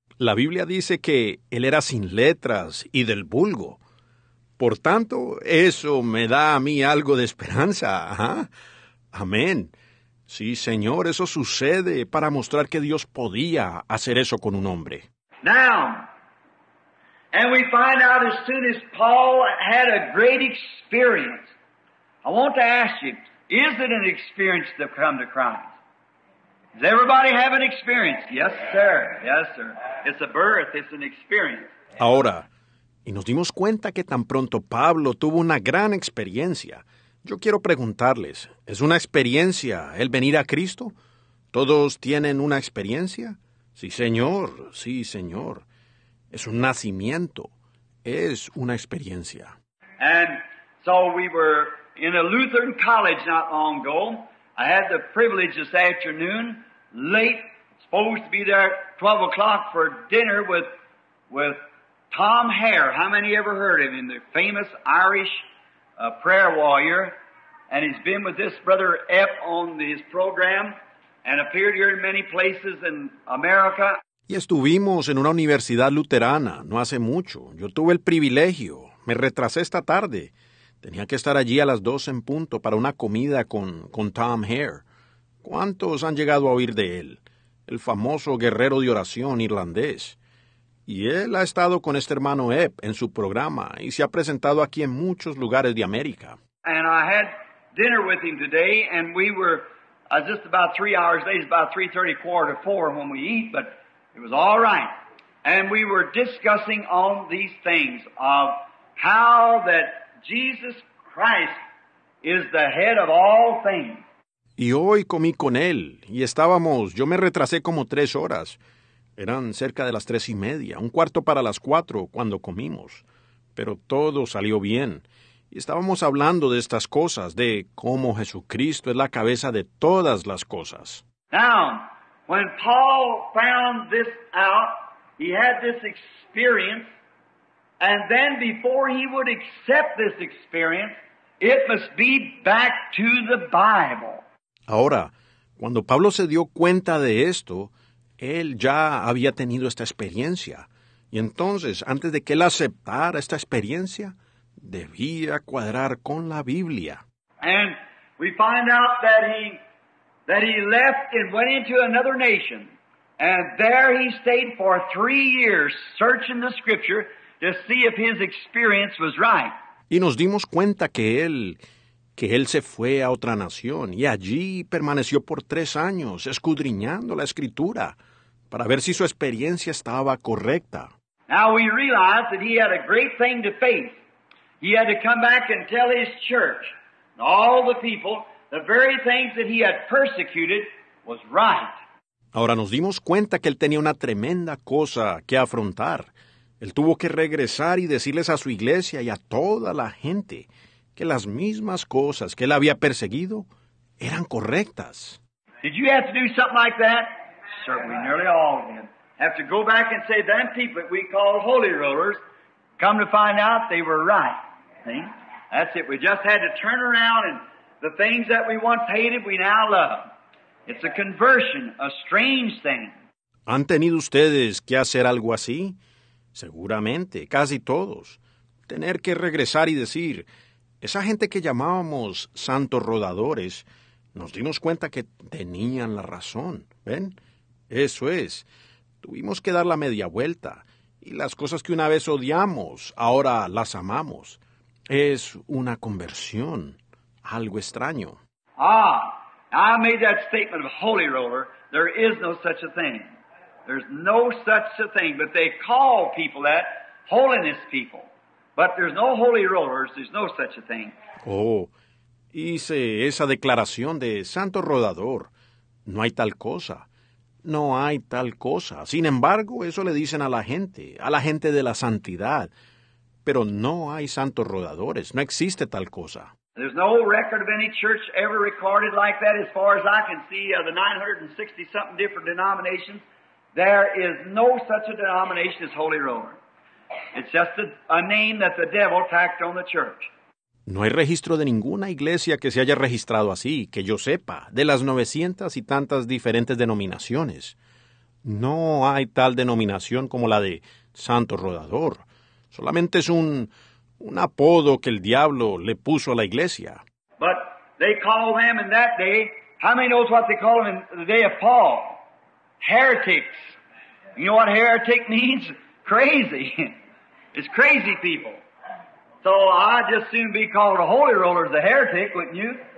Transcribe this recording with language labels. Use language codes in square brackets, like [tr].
[es] La Biblia dice que él era sin letras y del vulgo. Por tanto, eso me da a mí algo de esperanza. ¿Ah? Amén. Sí, Señor, eso sucede para mostrar que Dios podía hacer eso con un hombre. [en] Now, and we find out as soon as Paul had a great experience, I want to ask you, is it an experience to come to Christ? Does everybody have an experience? Yes, sir. Yes, sir. It's a birth. It's an experience. [es] Ahora, y nos dimos cuenta que tan pronto Pablo tuvo una gran experiencia. Yo quiero preguntarles, ¿es una experiencia el venir a Cristo? ¿Todos tienen una experiencia? Sí, Señor. Sí, Señor. Es un nacimiento. Es una experiencia. [en] And so we were in a Lutheran college not long ago. I had the privilege this afternoon, late, supposed to be there at 12 o'clock for dinner with Tom Hare. How many ever heard of him? The famous Irish prayer warrior. And he's been with this brother Epp on his program and appeared here in many places in America. [es] Y estuvimos en una universidad luterana no hace mucho. Yo tuve el privilegio. Me retrasé esta tarde. Tenía que estar allí a las 12 en punto para una comida con Tom Hare. ¿Cuántos han llegado a oír de él? El famoso guerrero de oración irlandés. Y él ha estado con este hermano Epp en su programa y se ha presentado aquí en muchos lugares de América. [en] And I had dinner with him today, and we were just about 3 hours late, about 3:30, quarter to four when we eat, but it was all right. And we were discussing on these things of how that Jesus Christ is the head of all things. [es] Y hoy comí con él, y estábamos, yo me retrasé como 3 horas. Eran cerca de las 3:30, un cuarto para las 4 cuando comimos. Pero todo salió bien. Y estábamos hablando de estas cosas, de cómo Jesucristo es la cabeza de todas las cosas. [en] Now, when Paul found this out, he had this experience, and then before he would accept this experience, it must be back to the Bible. [es] Ahora, cuando Pablo se dio cuenta de esto, él ya había tenido esta experiencia. Y entonces, antes de que él aceptara esta experiencia, debía cuadrar con la Biblia. [en] And we find out that he left and went into another nation. And there he stayed for 3 years searching the scripture to see if his experience was right. [es] Y nos dimos cuenta que él se fue a otra nación y allí permaneció por 3 años escudriñando la escritura para ver si su experiencia estaba correcta. [en] Now we realize that he had a great thing to face. He had to come back and tell his church and all the people the very things that he had persecuted was right. [es] Ahora nos dimos cuenta que él tenía una tremenda cosa que afrontar. Él tuvo que regresar y decirles a su iglesia y a toda la gente que las mismas cosas que él había perseguido eran correctas. [en] Did you have to do something like that? Certainly, nearly all of them have to go back and say them people that we call holy rollers. Come to find out, they were right. See? That's it. We just had to turn around, and the things that we once hated, we now love. It's a conversion, a strange thing. [es] ¿Han tenido ustedes que hacer algo así? Seguramente, casi todos. Tener que regresar y decir, esa gente que llamábamos santos rodadores, nos dimos cuenta que tenían la razón. ¿Ven? Eso es. Tuvimos que dar la media vuelta. Y las cosas que una vez odiamos, ahora las amamos. Es una conversión, algo extraño. [en] Ah, I made that statement of holy roller. There is no such a thing. There's no such a thing. But they call people that, holiness people. But there's no holy rollers, there's no such a thing. [es] Oh, hice esa declaración de santo rodador. No hay tal cosa. No hay tal cosa. Sin embargo, eso le dicen a la gente de la santidad. Pero no hay santos rodadores. No existe tal cosa. [en] There's no record of any church ever recorded like that, as far as I can see, of the 960-something different denominations. There is no such a denomination as Holy Roller. It's just a name that the devil tacked on the church. [es] No hay registro de ninguna iglesia que se haya registrado así, que yo sepa, de las 900 y tantas diferentes denominaciones. No hay tal denominación como la de Santo Rodador. Solamente es un apodo que el diablo le puso a la iglesia. [en] But they call them in that day, how many knows what they call them in the day of Paul? Heretics. You know what heretic means? Crazy. It's crazy people. So I'd just soon be called a holy roller as a heretic, wouldn't you?